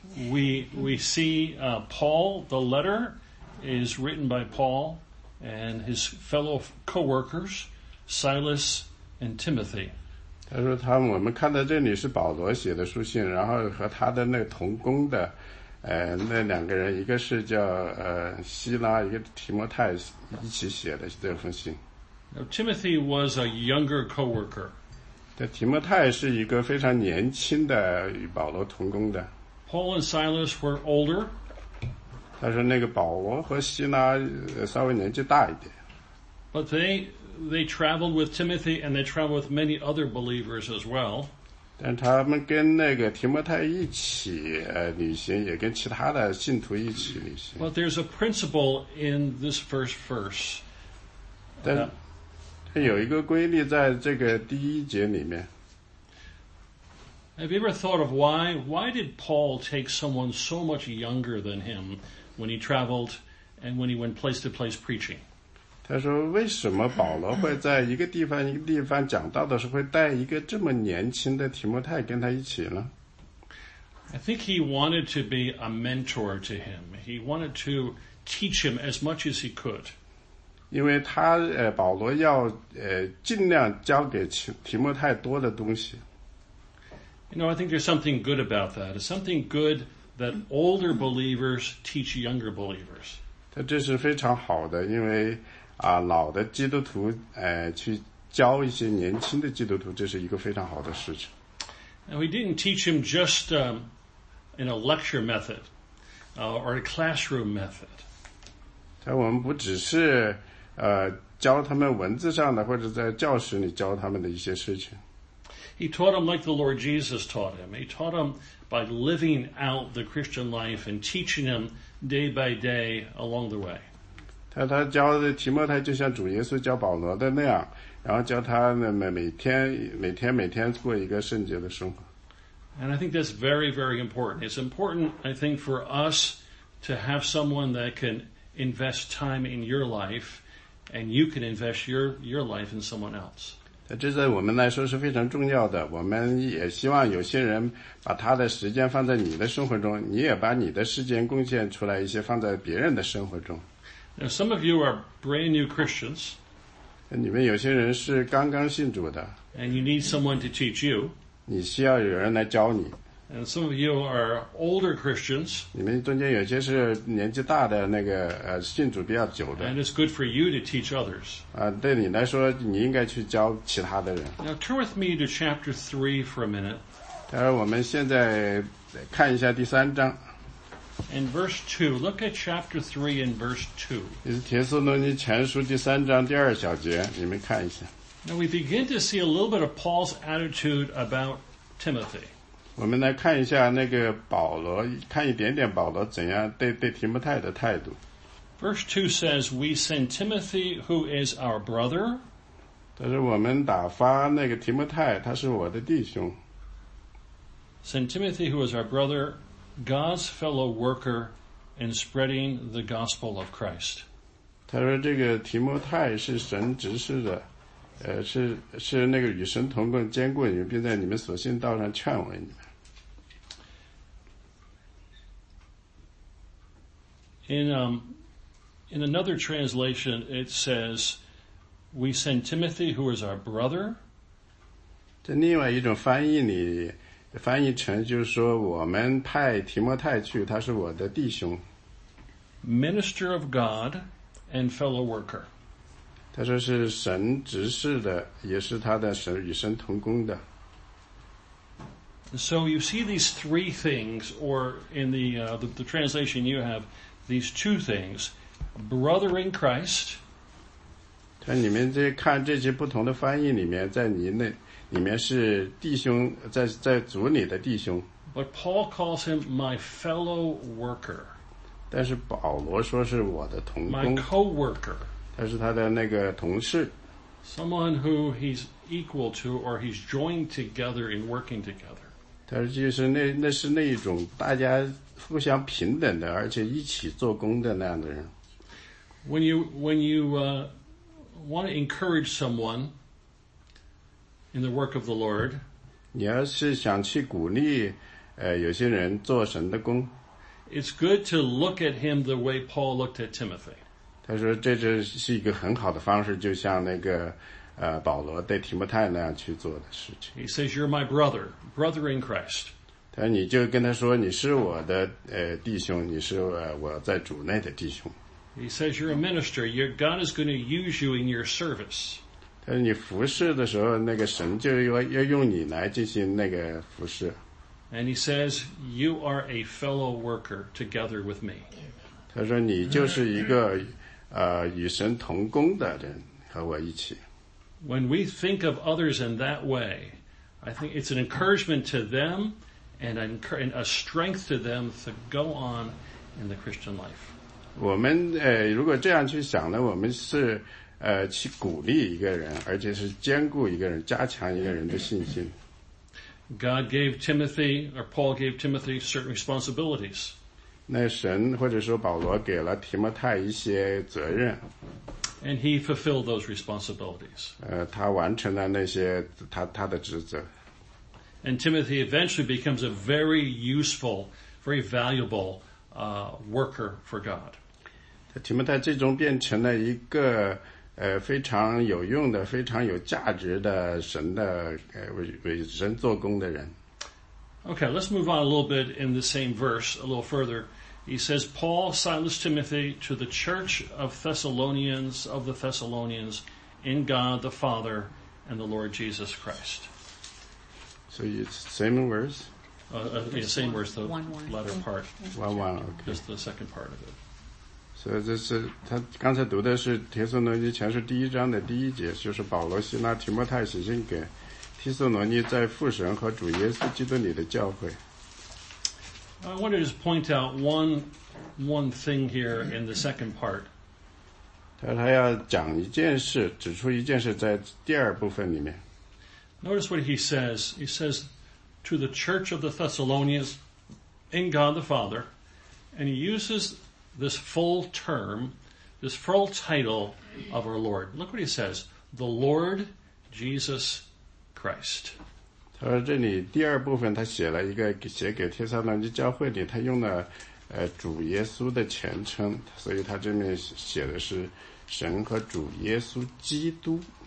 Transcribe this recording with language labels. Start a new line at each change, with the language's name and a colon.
English: We see Paul, the letter is written by Paul and his fellow co-workers, Silas and Timothy.
Chinese: 他说他我们看到这里是保罗写的书信，然后和他的那个同工的那两个人，一个是叫希拉，一个提摩太，一起写的这封信。
English: Now, Timothy was a younger co-worker.
Chinese: 这提摩太是一个非常年轻的与保罗同工的。
English: Paul and Silas were older.
Chinese: 他说那个保罗和希拉稍微年纪大一点。
English: But they traveled with Timothy and they traveled with many other believers as well.
Chinese: 但他们跟那个提摩太一起旅行，也跟其他的信徒一起旅行。
English: But there's a principle in this first verse.
Chinese: 但有一个规律在这个第一节里面。
English: Have you ever thought of why did Paul take someone so much younger than him when he traveled and when he went place to place preaching?
Chinese: 他说为什么保罗会在一个地方一个地方讲道的时候会带一个这么年轻的提摩太跟他一起呢？
English: I think he wanted to be a mentor to him. He wanted to teach him as much as he could.
Chinese: 因为他保罗要尽量教给提摩太多的东西。
English: You know, I think there's something good about that. It's something good that older believers teach younger believers.
Chinese: 他这是非常好的，因为老的基督徒去教一些年轻的基督徒，这是一个非常好的事情。
English: And we didn't teach him just in a lecture method, or a classroom method.
Chinese: 我们不只是教他们文字上的，或者在教室里教他们的一些事情。
English: He taught him like the Lord Jesus taught him. He taught him by living out the Christian life and teaching him day by day along the way.
Chinese: 他教的提摩太就像主耶稣教保罗的那样，然后教他每天过一个圣洁的生活。
English: And I think that's very, very important. It's important, I think, for us to have someone that can invest time in your life and you can invest your life in someone else.
Chinese: 这在我们来说是非常重要的，我们也希望有些人把他的时间放在你的生活中，你也把你的时间贡献出来一些放在别人的生活中。
English: Now, some of you are brand new Christians.
Chinese: 你们有些人是刚刚信主的。
English: And you need someone to teach you.
Chinese: 你需要有人来教你。
English: And some of you are older Christians.
Chinese: 你们中间有些是年纪大的那个信主比较久的。
English: And it's good for you to teach others.
Chinese: 对你来说你应该去教其他的人。
English: Now, turn with me to chapter 3 for a minute.
Chinese: 但是我们现在看一下第三章。
English: In verse 2, look at chapter 3 in verse 2.
Chinese: 这是帖撒罗尼前书第三章第二小节，你们看一下。
English: Now we begin to see a little bit of Paul's attitude about Timothy.
Chinese: 我们来看一下那个保罗，看一点点保罗怎样对提摩太的态度。
English: Verse 2 says, we send Timothy who is our brother.
Chinese: 但是我们打发那个提摩太，他是我的弟兄。
English: Send Timothy who is our brother, God's fellow worker in spreading the gospel of Christ.
Chinese: 他说这个提摩太是神执事的是那个与神同工兼顾你们并在你们所信道上劝慰你们。
English: In another translation, it says, we send Timothy, who is our brother.
Chinese: 在另外一种翻译里翻译成就是说我们派提摩太去他是我的弟兄。
English: Minister of God and fellow worker.
Chinese: 他说是神执事的也是他的神与神同工的。
English: So you see these three things, or in the translation you have, these two things. Brother in Christ.
Chinese: 在你们看这些不同的翻译里面在你那里面是弟兄在主里的弟兄。
English: But Paul calls him my fellow worker.
Chinese: 但是保罗说是我的同工
English: My co-worker
Chinese: 他是他的那个同事
English: Someone who he's equal to or he's joined together in working together
Chinese: 他就是 那是那一种大家互相平等的而且一起做工的那样的人
English: When you want to encourage someone in the work of the Lord
Chinese: 你要是想去鼓励有些人做神的工
English: It's good to look at him the way Paul looked at Timothy
Chinese: 他说这是一个很好的方式就像那个保罗对提摩太那样去做的事情
English: He says you're my brother in Christ
Chinese: 他说你就跟他说你是我的弟兄你是我在主内的弟兄
English: He says you're a minister God is going to use you in your service
Chinese: 他说你服侍的时候那个神就 要用你来进行那个服侍
English: And he says, you are a fellow worker together with me.
Chinese: 他说你就是一个与神同工的人和我一起。
English: When we think of others in that way, I think it's an encouragement to them and a strength to them to go on in the Christian life.
Chinese: 我们如果这样去想呢，我们是去鼓励一个人，而且是坚固一个人，加强一个人的信心。
English: God gave Timothy, or Paul gave Timothy, certain responsibilities.
Chinese: 那神或者说保罗给了提摩太一些责任。
English: And he fulfilled those responsibilities.
Chinese: 他完成了那些他的职责。
English: And Timothy eventually becomes a very useful, very valuable, worker for God.
Chinese: 提摩太最终变成了一个非常有用的非常有价值的神的为神做工的人
English: Okay, let's move on a little bit in the same verse a little further He says Paul, Silas, Timothy to the church of Thessalonians of the Thessalonians in God the Father and the Lord Jesus Christ So it's same verse? Yeah, same one, verse the one. Latter part one, okay. Just the second part of it
Chinese: 所以这是他刚才读的是帖撒罗尼前书第一章的第一节就是保罗希拉提摩太写信给帖撒罗尼在父神和主耶稣基督里的教会
English: I want to just point out one thing here in the second part
Chinese: 他要讲一件事指出一件事在第二部分里面
English: Notice what he says to the church of the Thessalonians in God the Father and he usesThis full term, this full title of our Lord. Look what he says, the Lord Jesus Christ.
Chinese: 他说这里第二部分他写了一个写给帖撒罗尼教会里他用了主耶稣的前称所以他这面写的是神和主耶稣基督。